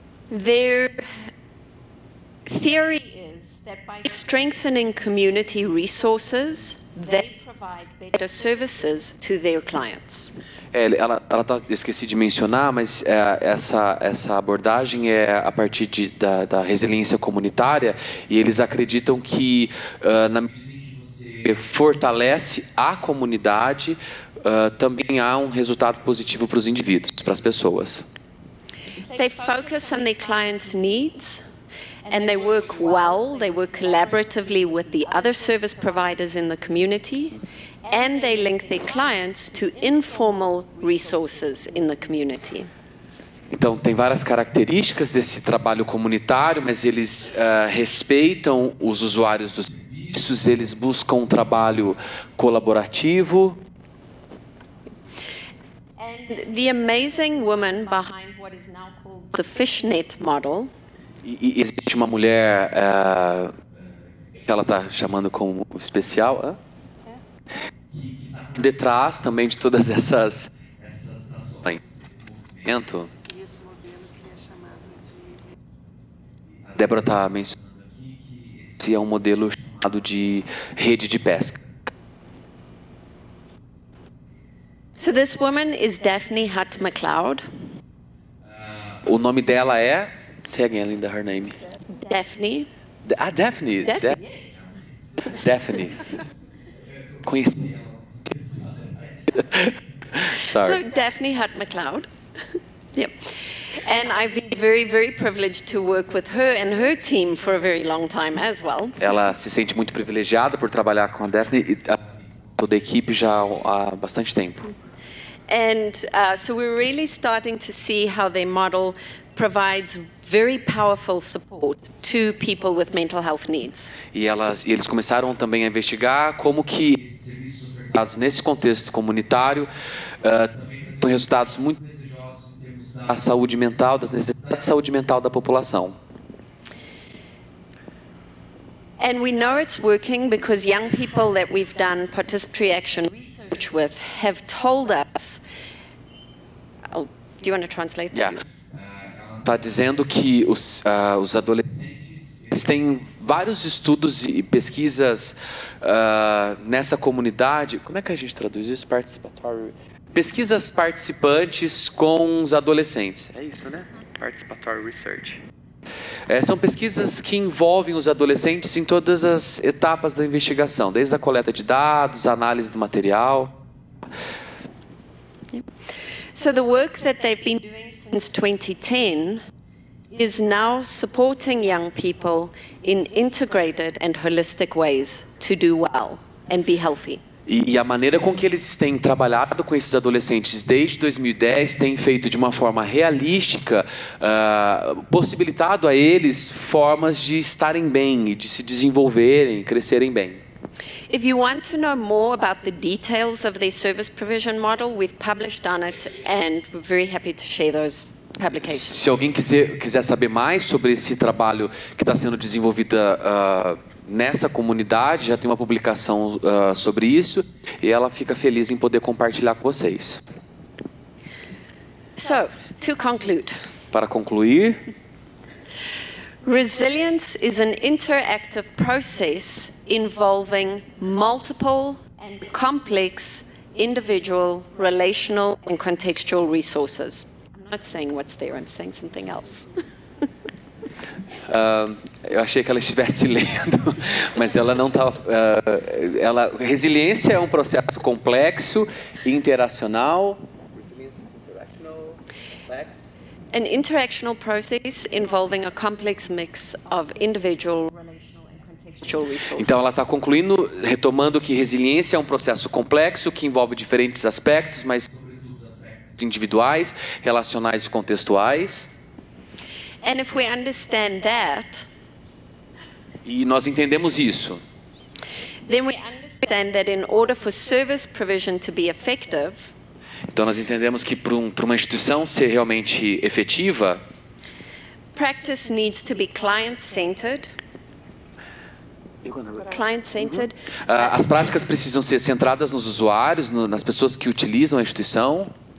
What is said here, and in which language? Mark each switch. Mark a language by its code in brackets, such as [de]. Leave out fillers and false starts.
[en] Their theory is that by strengthening community resources, they provide better services to their clients. [pt] Esqueci de mencionar, mas essa abordagem é a partir da resiliência comunitária, e eles acreditam que na medida que você fortalece a comunidade, também há um resultado positivo para os indivíduos, para as pessoas. [en] They focus on their clients' needs, and they work well, they work collaboratively with the other service providers in the community, and they link their clients to informal resources in the community. [pt] Então, tem várias características desse trabalho comunitário, mas eles respeitam os usuários dos serviços, eles buscam um trabalho colaborativo. [en] And the amazing woman behind what is now called the fishnet model. [pt] E existe uma mulher que ela está chamando como especial, detrás também de todas essas ações de movimento. A Débora está mencionando aqui que é um modelo chamado de rede de pesca. [en] So this woman is Daphne Hutt McLeod. [pt] O nome dela é? Segue ela ainda, [en] her name. [pt] Daphne. Daphne. Daphne. Daphne. Conheci ela. [en] Sorry. So, Daphne Hutt McLeod. Yep. And I've been very, very privileged to work with her and her team for a very long time as well. [pt] Ela se sente muito privilegiada por trabalhar com a Daphne e toda a equipe já há bastante tempo. [en] And so we're really starting to see how their model provides very powerful support to people with mental health needs. [pt] E eles começaram também a investigar como que nesse contexto comunitário com resultados muito desejosos da saúde mental, das necessidades de saúde mental da população. [en] And we know it's working because young people that we've done participatory action research with have told us. Oh, do you want to translate that? Yeah. [pt] Está dizendo que os adolescentes têm vários estudos e pesquisas nessa comunidade. Como é que a gente traduz isso? Participatory. Pesquisas participantes com os adolescentes. É isso, né? [en] Participatory research. [pt] São pesquisas que envolvem os adolescentes em todas as etapas da investigação, desde a coleta de dados, análise do material. [en] So the work that they've been doing since 2010 is now supporting young people in integrated and holistic ways to do well and be healthy. [pt] E a maneira com que eles têm trabalhado com esses adolescentes desde 2010 tem feito de uma forma realística, possibilitado a eles formas de estarem bem e de se desenvolverem, crescerem bem. [en] If you want to know more about the details of the service provision model, we've published on it and we're very happy to share those. [pt] Se alguém quiser saber mais sobre esse trabalho que está sendo desenvolvido nessa comunidade, já tem uma publicação sobre isso, e ela fica feliz em poder compartilhar com vocês. [en] So, to conclude. [pt] Para concluir. [en] Resilience is an interactive process involving multiple and complex individual, relational and contextual resources. I'm not saying what's there, I'm saying something else. [pt] Eu achei que ela estivesse lendo, mas ela não estava. Resiliência é um processo complexo, interacional. [en] An interactional process involving a complex mix of individual, relational and contextual. [pt] Então ela está concluindo, retomando que resiliência é um processo complexo que envolve diferentes aspectos, mas individuais, relacionais e contextuais. [en] And if we understand that, [pt] e nós entendemos isso, [en] then we understand that in order for service provision to be effective, [pt] então nós entendemos que para uma instituição ser realmente efetiva, [en] practice needs to be client-centered. Client-centered. [pt] As práticas precisam ser centradas nos usuários, no, nas pessoas que utilizam a instituição.